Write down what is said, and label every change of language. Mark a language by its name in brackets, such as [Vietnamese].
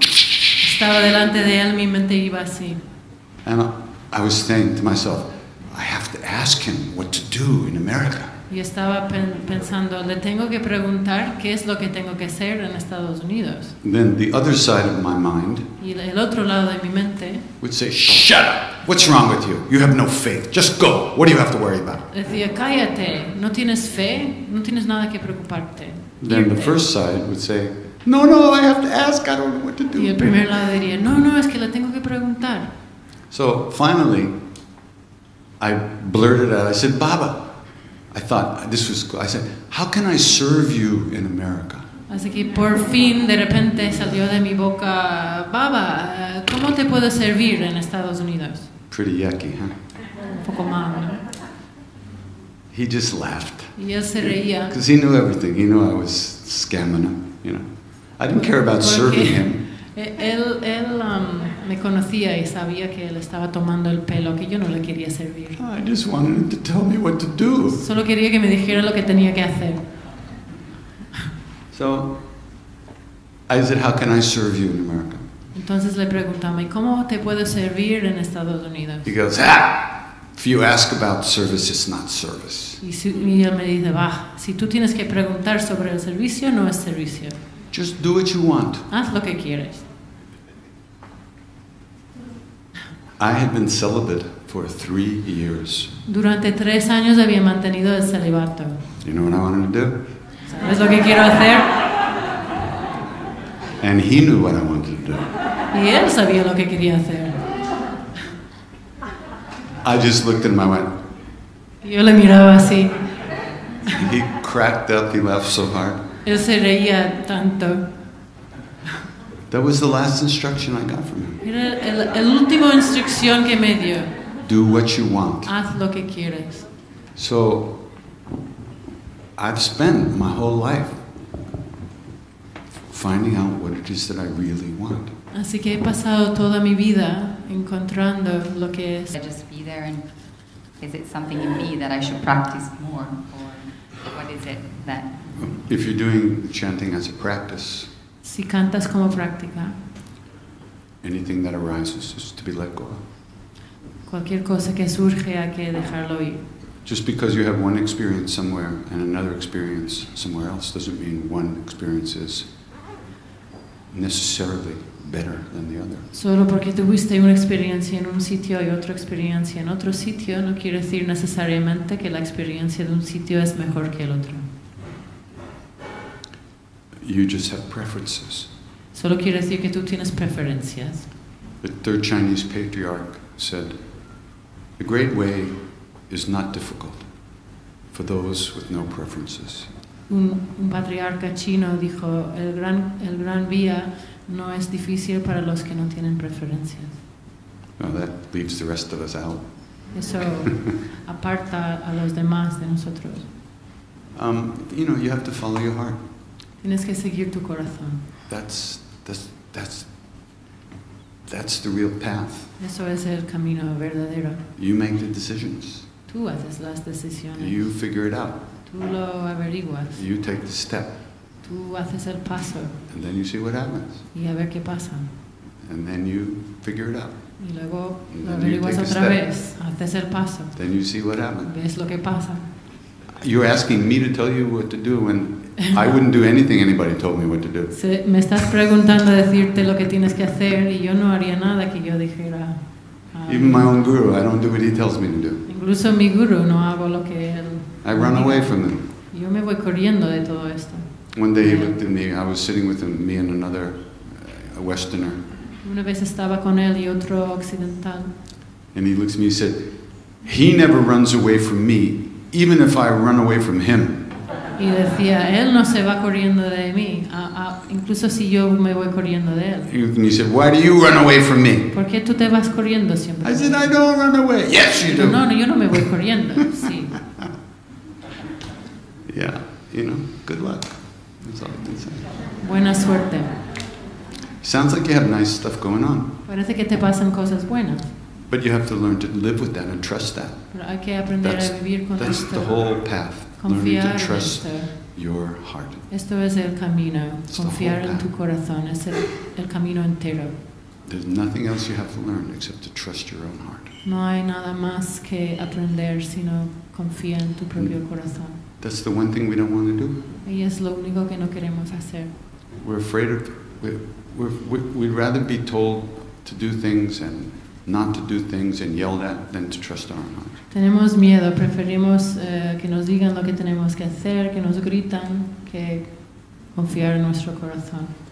[Spanish] Estaba delante de él, mi mente iba así. [English] And I was saying to myself, I have to ask him what to do in America. [Spanish] Y estaba pensando, le tengo que preguntar qué es lo que tengo que hacer en Estados Unidos. [English] Then the other side of my mind. [Spanish] Y el otro lado de mi mente. [English] Would say, shut up. What's wrong with you? You have no faith. Just go. What do you have to worry about? [Spanish] Decía, cállate. No tienes fe. No tienes nada que preocuparte. [English] Then the first side would say, no, no, I have to ask, I don't know what to do. [Spanish] Y el primer lado diría, no, no, es que le tengo que preguntar. [English] So, finally, I blurted out, I said, Baba, I thought, this was cool, I said, how can I serve you in America? [Spanish] Así que por fin, de repente, salió de mi boca, Baba, ¿cómo te puedo servir en Estados Unidos? [English] Pretty yucky, huh? [Spanish] Un poco mal, ¿no? [English] He just laughed. [Spanish] Y él se reía. [English] Because he knew everything, he knew I was scamming him, you know. I didn't care about serving him. [Spanish] Él me conocía y sabía que él estaba tomando el pelo, que yo no le quería servir. [English] I just wanted him to tell me what to do. [Spanish] Solo quería que me dijera lo que tenía que hacer. [English] So, I said, how can I serve you in America? [Spanish] Entonces le preguntamos, ¿cómo te puedo servir en Estados Unidos? [English] He goes, ah! If you ask about service, it's not service. [Spanish] Y él me dice, bah, si tú tienes que preguntar sobre el servicio, no es servicio. [English] Just do what you want. [Spanish] Haz lo que quieres. [English] I had been celibate for 3 years. [Spanish] Durante 3 años había mantenido el celibato. [English] You know what I wanted to do? [Spanish] ¿Sabes lo que quiero hacer? [English] And he knew what I wanted to do. [Spanish] Y él sabía lo que quería hacer. [English] I just looked at him, I went. [Spanish] Yo le miraba así. [English] He cracked up, he laughed so hard. [Spanish] Él se reía tanto. [English] That was the last instruction I got from him. [Spanish] Era el último instrucción que me dio. [English] Do what you want. [Spanish] Haz lo que quieres. [English] So, I've spent my whole life finding out what it is that I really want. [Spanish] Así que he pasado toda mi vida encontrando lo que es. [English] I just be there, and is it something in me that I should practice more, or what is it that? If you're doing chanting as a practice. [Spanish] Si cantas como práctica. [English] Anything that arises is to be let go. [Spanish] Cualquier cosa que surge hay que dejarlo ir. [English] Just because you have one experience somewhere and another experience somewhere else doesn't mean one experience is necessarily better than the other. [Spanish] Solo porque tuviste una experiencia en un sitio y otra experiencia en otro sitio no quiere decir necesariamente que la experiencia de un sitio es mejor que el otro. [English] You just have preferences. [Spanish] Solo quiere decir que tú tienes preferencias. [English] The third Chinese patriarch said, "The great way is not difficult for those with no preferences." [Spanish] Un patriarca chino dijo, el gran vía no es difícil para los que no tienen preferencias. [English] Well, that leaves the rest of us out. [Spanish] Eso aparta a los demás de nosotros. [English] You know, you have to follow your heart. [Spanish] Tienes que seguir tu corazón. [English] That's the real path. [Spanish] Eso es el camino verdadero. [English] You make the decisions. [Spanish] Tú haces las decisiones. [English] You figure it out. [Spanish] Tú lo averiguas. [English] You take the step. [Spanish] Tú haces el paso. [English] And then you see what happens. [Spanish] Y a ver qué pasa. [English] And then you figure it out. [Spanish] Y luego lo averiguas otra vez. Haces el paso. [English] Then you see what happens. [Spanish] Ves lo que pasa. [English] You're asking me to tell you what to do when I wouldn't do anything anybody told me what to do. [Spanish] Me estás preguntando decirte lo que tienes que hacer y yo no haría nada que yo dijera. [English] Even my own guru, I don't do what he tells me to do. [Spanish] Incluso mi guru no hago lo que él. [English] I run away from him. [Spanish] Yo me voy corriendo de todo esto. [English] One day he looked at me. I was sitting with him, me and another a Westerner. [Spanish] Una vez estaba con él y otro occidental. [English] And he looks at me and said, "He never runs away from me, even if I run away from him." [Spanish] Y decía, él no se va corriendo de mí, incluso si yo me voy corriendo de él. [English] And he said, "Why do you run away from me?" [Spanish] ¿Por qué tú te vas corriendo siempre? [English] I said, "I don't run away." "Yes, you do." [Spanish] No, yo no me voy corriendo. Sí. [English] Yeah, you know, good luck. That's all I can say. [Spanish] Buena suerte. [English] Sounds like you have nice stuff going on. [Spanish] Parece que te pasan cosas buenas. [English] But you have to learn to live with that and trust that. [Spanish] Pero hay que aprender a vivir con [English] that's [Spanish] esto. [English] The whole path. [Spanish] Confiar [English] learning to trust [Spanish] esto. [English] Your heart. [Spanish] Esto es el camino. [English] It's [Spanish] confiar en tu corazón. Es el camino entero. [English] There's nothing else you have to learn except to trust your own heart. [Spanish] No hay nada más que aprender sino confiar en tu propio corazón. [English] That's the one thing we don't want to do. [Spanish] Y es lo único que no queremos hacer. [English] We're afraid of. We'd rather be told to do things and not to do things and yelled at than to trust our own heart. [Spanish] Tenemos miedo, preferimos que nos digan lo que tenemos que hacer, que nos gritan, que confiar en nuestro corazón.